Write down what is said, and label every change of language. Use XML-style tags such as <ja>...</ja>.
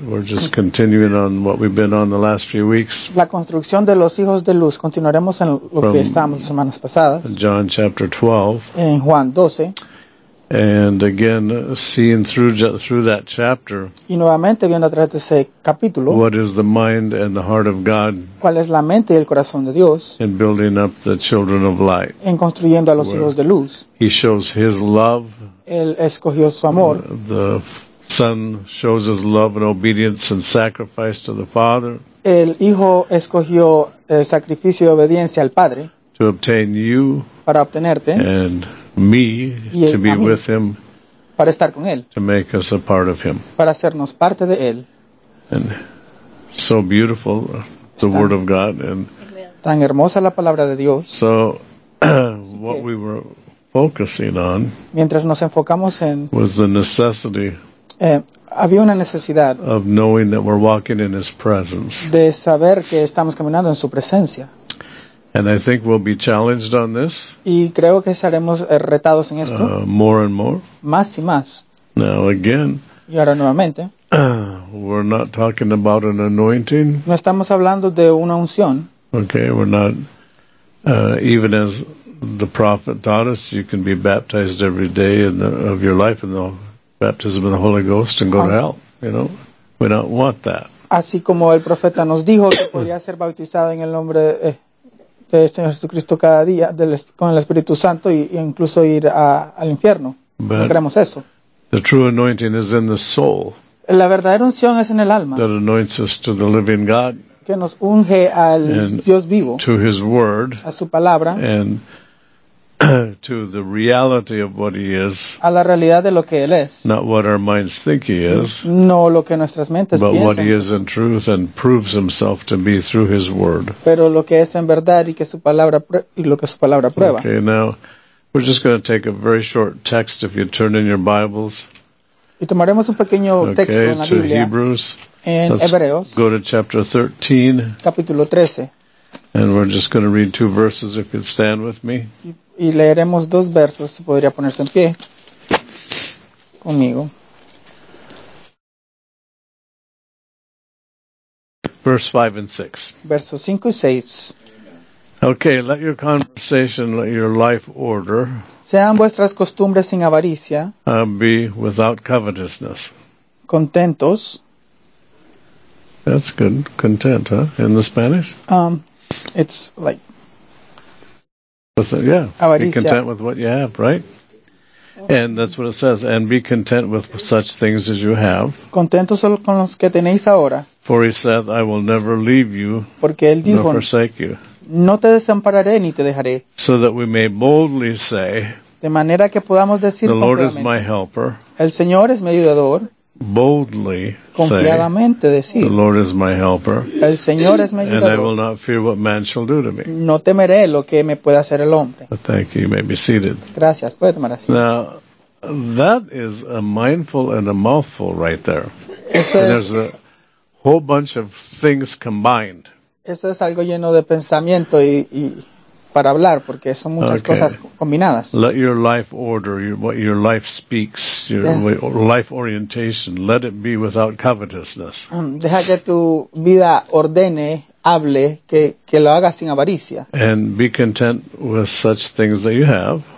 <en>We're just continuing on what we've been on the last few weeks.</en> <es>La construcción de los hijos de luz. Continuaremos en lo que estábamos las semanas pasadas.</es> <en>John chapter 12.</en> <es>En Juan 12.</es> <en>And again, seeing through that chapter.</en> <es>Y nuevamente viendo a través de ese capítulo.</es> <en>What is the mind and the heart of God?</en> <es>¿Cuál es la mente y el corazón de Dios?</es> <en>In building up the children of light.</en> <es>En construyendo a los hijos de luz.</es> <en>He shows his love.</en> <es>Él escogió su amor.</es> <en>The Son shows his love and obedience and sacrifice to the Father.</en> <es>El hijo escogió el sacrificio y obediencia al Padre.</es> <en>To obtain you.</en> <es>Para obtenerte.</es> <en>And me to be with him.</en> <es>Para estar con él.</es> <en>To make us a part of him.</en> <es>Para hacernos parte de él.</es> <en>And so beautiful, the word of God. And</en> <es>tan hermosa la palabra de Dios.</es> <en>So, what we were focusing on.</en> <es>Mientras nos enfocamos en.</es> <en>Was the necessity.</en> <es>Había una necesidad</es> <en>of knowing that we're walking in his presence.</en> <es>De saber que estamos caminando en su presencia.</es> <en>And I think we'll be challenged on this.</en> <es>Y creo que seremos retados en esto.</es> <en>More and more.</en> <es>Más y más.</es> <en>Now again.</en> <es>Y ahora nuevamente.</es> <en>We're not talking about an anointing.</en> <es>No estamos hablando de una unción.</es> <en>Okay, we're not. Even as the prophet taught us, you can be baptized every day of your life in the baptism of the Holy Ghost and go to hell. You know, we don't want that.</en> <es>Así como el profeta nos dijo que podía ser bautizado en el nombre de Señor Jesucristo cada día con el Espíritu Santo e incluso ir al infierno.</es> <en>But</en> <es>no queremos eso.</es> <en>The true anointing is in the soul.</en> <es>La verdadera unción es en el alma.</es> <en>That anoints us to the living God.</en> <es>que nos unge al Dios vivo,</es> <en>to his word,</en> <es>a su palabra,</es> <en>and to the reality of what he is,</en> <es>a la realidad de lo que él es,</es> <en>not what our minds think he is,</en> <es>no lo que nuestras mentes</es> <en>but</en> <es>piensan,</es> <en>what he is in truth and proves himself to be through his word.</en> <es>Pero lo que es en verdad y que su palabra y lo que su palabra prueba.</es> <en>Okay, now we're just going to take a very short text. If you turn in your Bibles,</en> <es>y tomaremos un pequeño</es> <en>okay,</en> <es>texto en la</es> <en>to</en> <es>Biblia,</es> <en>Hebrews,</en> <es>en</es> <en>let's</en> <es>Hebreos,</es> <en>go to chapter 13,</en> <es>capítulo 13.</es> <en>And we're just going to read two verses, if you'd stand with me.</en> <es>Y leeremos dos versos, si podría ponerse en pie conmigo.</es> <en>Verse 5 and 6.</en> <es>Versos 5 y 6.</es> <en>Okay, let your conversation, let your life order.</en> <es>Sean vuestras costumbres sin avaricia.</es> <en>Be without covetousness.</en> <es>Contentos.</es> <en>That's good. Content, huh? In the Spanish? It's like, yeah, avaricia. Be content with what you have, right? And that's what it says. And be content with such things as you have.</en> <es>Contentos solo con los que tenéis ahora.</es> <en>For he said, I will never leave you,</en> <es>porque él dijo,</es> <en>nor forsake you.</en> <es>No te desampararé ni te dejaré.</es> <en>So that we may boldly say,</en> <es>de manera que podamos decir,</es> <en>the Lord is my helper.</en> <es>El Señor es mi ayudador.</es> <en>Boldly</en> <es>confiadamente</es> <en>say,</en> <es>decir,</es> <en>the Lord is my helper,</en> <es>el Señor es mi ayudador,</es> <en>and I will not fear what man shall do to me.</en> <es>No temeré lo que me pueda hacer el hombre.</es> <en>But thank you. You may be seated.</en> <es>Gracias. Puede tomar asiento.</es> <en>Now, that is a mindful and a mouthful right there.</en> <es>Eso</es> <en>and</en> <es>es,</es> <en>there's a whole bunch of things combined.</en> <es>Eso es algo lleno de pensamiento y para hablar, porque son muchas</es> <en>okay.</en> <es>cosas combinadas.</es> <en>Let your life order, what your life speaks, your life orientation, let it be without covetousness.</en> <es>Deja que tu vida ordene, hable, que lo haga sin avaricia.</es> <en>And be content with such things that you have.</en>